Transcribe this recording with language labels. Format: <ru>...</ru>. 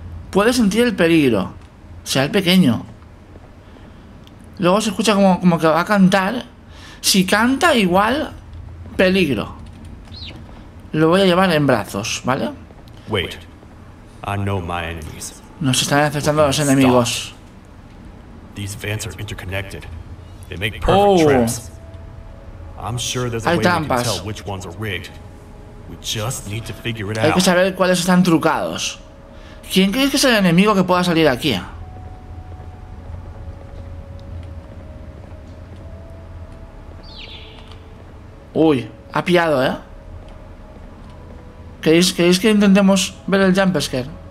<es>Puede sentir el peligro. O sea, el pequeño. Luego se escucha como que va a cantar. Si canta, igual peligro. Lo voy a llevar en brazos, ¿vale?</es> <en>Wait. I know my enemies.</en> <es>Nos están acechando los enemigos.</es> <en>These vents are interconnected. They make perfect trips. I'm sure there's a way to tell which ones are rigged. We just need to figure it out.</en> <es>Hay que saber cuáles están trucados. ¿Quién crees que es el enemigo que pueda salir aquí? Uy, ha pillado, ¿eh? ¿Queréis que intentemos ver el jumpscare?</es>